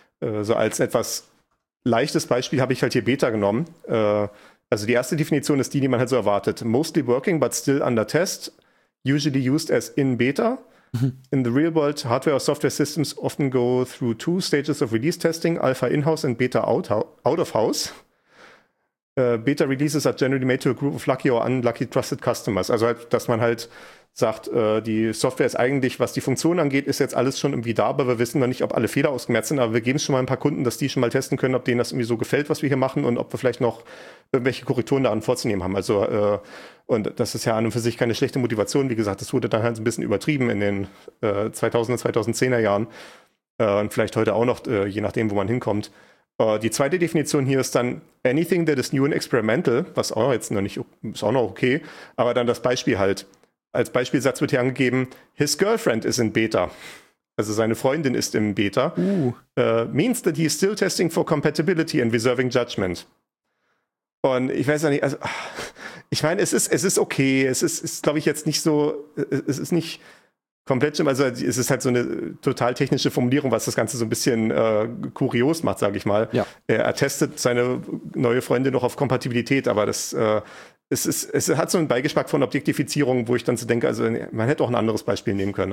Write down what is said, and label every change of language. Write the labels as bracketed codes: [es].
[de] So als etwas leichtes Beispiel habe ich halt hier Beta genommen. Also die erste Definition ist die man halt so erwartet. [en] Mostly working, but still under test. Usually used as in Beta. In the real world, hardware or software systems often go through two stages of release testing. Alpha in-house and Beta out of house. Beta releases are generally made to a group of lucky or unlucky trusted customers. [de] Also halt, dass man halt sagt, die Software ist eigentlich, was die Funktion angeht, ist jetzt alles schon irgendwie da, aber wir wissen noch nicht, ob alle Fehler ausgemerzt sind, aber wir geben es schon mal ein paar Kunden, dass die schon mal testen können, ob denen das irgendwie so gefällt, was wir hier machen und ob wir vielleicht noch irgendwelche Korrekturen daran vorzunehmen haben. Also und das ist ja an und für sich keine schlechte Motivation. Wie gesagt, das wurde dann halt ein bisschen übertrieben in den 2000er, 2010er Jahren und vielleicht heute auch noch, je nachdem, wo man hinkommt. Die zweite Definition hier ist dann [en] anything that is new and experimental, [de] was auch jetzt noch nicht, ist auch noch okay, aber dann das Beispiel halt. Als Beispielsatz wird hier angegeben, [en] his girlfriend is in Beta. [de] Also seine Freundin ist im Beta. [en] Means that he is still testing for compatibility and reserving judgment. [de] Und ich weiß ja nicht, also, ich meine, es ist okay. Es ist glaube ich, jetzt nicht so, es ist nicht komplett schlimm. Also es ist halt so eine total technische Formulierung, was das Ganze so ein bisschen kurios macht, sage ich mal. Ja. Er testet seine neue Freundin noch auf Kompatibilität, aber das Es hat so einen Beigeschmack von Objektifizierung, wo ich dann so denke, also man hätte auch ein anderes Beispiel nehmen können.